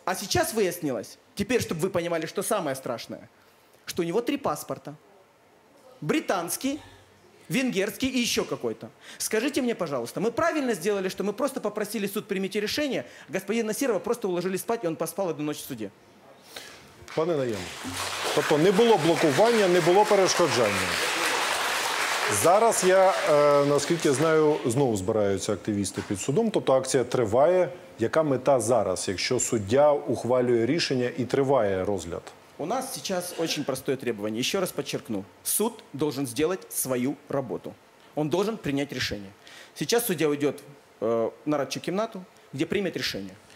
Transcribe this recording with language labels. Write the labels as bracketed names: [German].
[Russian] А сейчас выяснилось, теперь, чтобы вы понимали, что самое страшное, что у него 3 паспорта. Британский, венгерский и еще какой-то. Скажите мне, пожалуйста, мы правильно сделали, что мы просто попросили суд примите решение, господин Насирова просто уложили спать, и он поспал одну ночь в суде? [Ukrainian] Пане Наєм, тобто не було блокування, не було перешкоджання. Зараз я, наскільки знаю, знову збираються активісти під судом, тобто акція триває. Яка мета зараз, якщо суддя ухвалює рішення і триває розгляд? [Russian] У нас сейчас очень простое требование. Еще раз подчеркну. Суд должен сделать свою работу. Он должен принять решение. Сейчас судья уйдет на Радчикимнату, где примет решение.